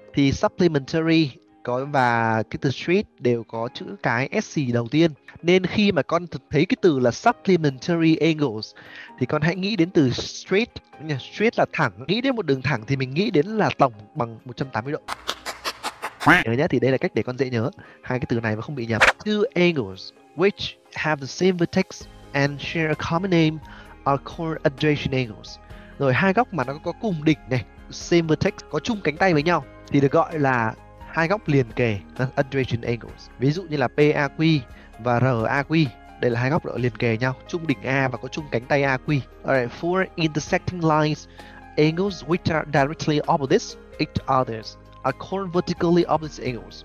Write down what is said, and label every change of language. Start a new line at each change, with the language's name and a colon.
Vietnamese: Thì supplementary có và cái từ straight đều có chữ cái SC đầu tiên. Nên khi mà con thấy cái từ là supplementary angles thì con hãy nghĩ đến từ straight. Straight là thẳng. Nghĩ đến một đường thẳng thì mình nghĩ đến là tổng bằng 180 độ. Nhớ nhé, thì đây là cách để con dễ nhớ hai cái từ này mà không bị nhầm.
English: Two angles which have the same vertex and share a common name are called adjacent angles.
Vietnamese: Rồi hai góc mà nó có cùng đỉnh này, same vertex, có chung cánh tay với nhau thì được gọi là hai góc liền kề, adjacent angles. Ví dụ như là PAQ và RAQ, đây là hai góc liền kề nhau, chung đỉnh A và có chung cánh tay AQ.
English: Alright, four intersecting lines, angles which are directly opposite each other are called vertically opposite angles.